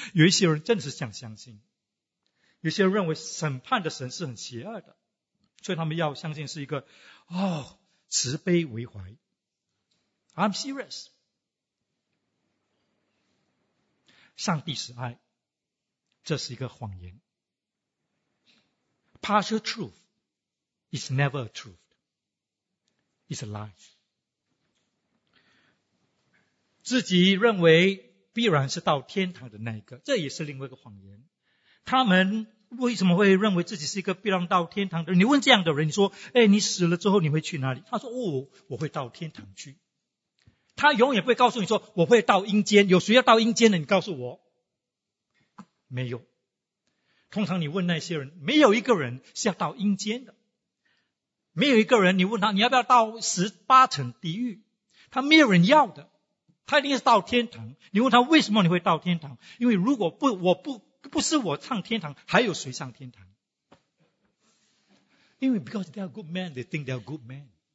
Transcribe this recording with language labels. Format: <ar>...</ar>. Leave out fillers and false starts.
<zh>有一些人真的是想相信，有些人认为审判的神是很邪恶的，所以他们要相信是一个哦慈悲为怀。</zh> <en>I'm serious。</en> <zh>上帝是爱，这是一个谎言。</zh> <en>Partial truth is never a truth, it's a lie。</en> <zh>自己认为必然是到天堂的那一个，这也是另外一个谎言。他们为什么会认为自己是一个必然到天堂的人？你问这样的人，你说哎，你死了之后你会去哪里？他说哦，我会到天堂去。他永远不会告诉你说我会到阴间，有谁要到阴间的你告诉我。没有，通常你问那些人，没有一个人是要到阴间的，没有一个人你问他你要不要到十八层地狱，他没有人要的，他一定是到天堂。你问他为什么你会到天堂，因为如果不我不不是我上天堂，还有谁上天堂？</zh> <en>因为 because they are good men, they think they are good men.</en>